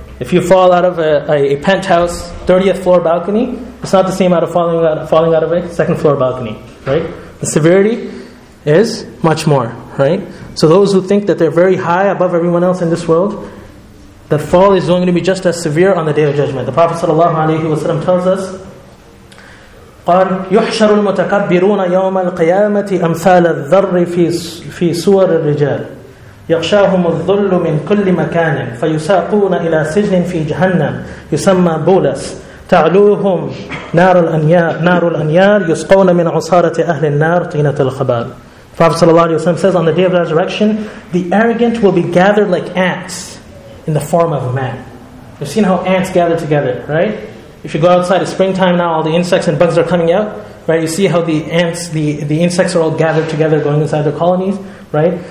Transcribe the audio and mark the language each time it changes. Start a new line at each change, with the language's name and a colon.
English: If you fall out of a penthouse 30th floor balcony, it's not the same as falling out of a second floor balcony. Right? The severity is much more. Right? So those who think that they're very high above everyone else in this world, that fall is only going to be just as severe on the Day of Judgment. The Prophet ﷺ tells us,
Arabic: قال يحشر المتكبرون يوم القيامة أمثال الذر في سور الرجال يغشاهم الظل من كل مكان فيساقون إلى سجن في جهنم يسمى بولس تعلوهم نار الأنيار يسقون من عصارة أهل النار طينة الخبال.
English: Prophet sallallahu alaihi wasallam says, on the Day of Resurrection, the arrogant will be gathered like ants in the form of a man. You've seen how ants gather together, right? If you go outside, it's springtime now, all the insects and bugs are coming out, right? You see how the ants, the insects are all gathered together going inside their colonies, right?